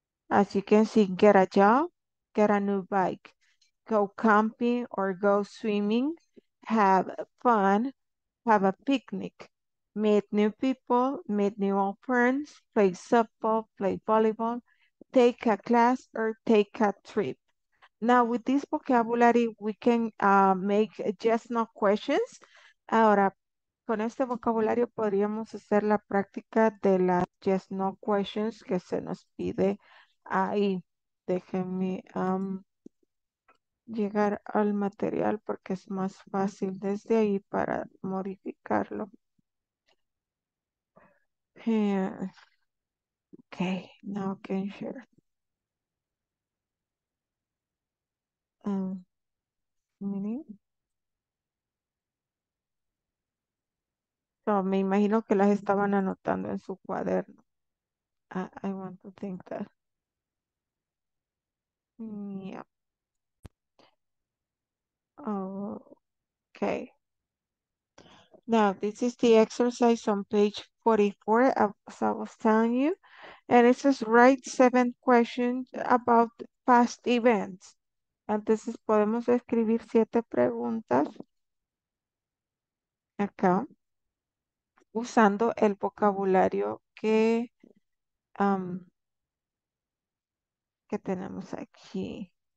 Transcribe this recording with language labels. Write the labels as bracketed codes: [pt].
[en] As you can see, get a job, get a new bike, go camping or go swimming, have fun, have a picnic. Meet new people, meet new old friends, play softball, play volleyball, take a class, or take a trip. Now, with this vocabulary, we can make yes no questions. [es] Ahora, con este vocabulario podríamos hacer la práctica de las yes no questions que se nos pide ahí. Déjenme llegar al material porque es más fácil desde ahí para modificarlo. [en] Okay, now I can share. So, [es] me imagino que las estaban anotando en su cuaderno. [en] I want to think that. Yeah. Okay. Now, this is the exercise on page 44, as I was telling you. And it says, write 7 questions about past events. [es] Entonces, podemos escribir 7 preguntas acá, usando el vocabulario que, que tenemos aquí.